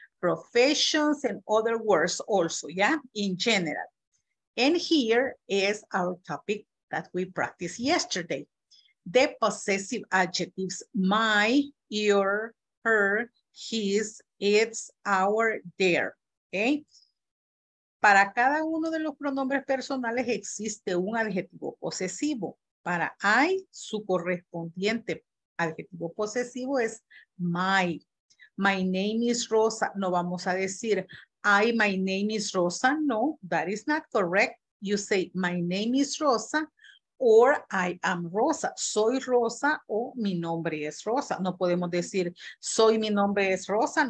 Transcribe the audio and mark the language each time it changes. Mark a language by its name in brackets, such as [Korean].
[English] professions, and other words also, yeah, in general. And here is our topic that we practiced yesterday. The possessive adjectives, my, your, her, his, its, our, their, okay? [Spanish] Para cada uno de los pronombres personales existe un adjetivo posesivo. Para I, su correspondiente adjetivo posesivo es my. [English] My name is Rosa. [Spanish] No vamos a decir, [English] I, my name is Rosa. No, that is not correct. You say, my name is Rosa, or I am Rosa. [Spanish] Soy Rosa, o mi nombre es Rosa. No podemos decir, soy, mi nombre es Rosa.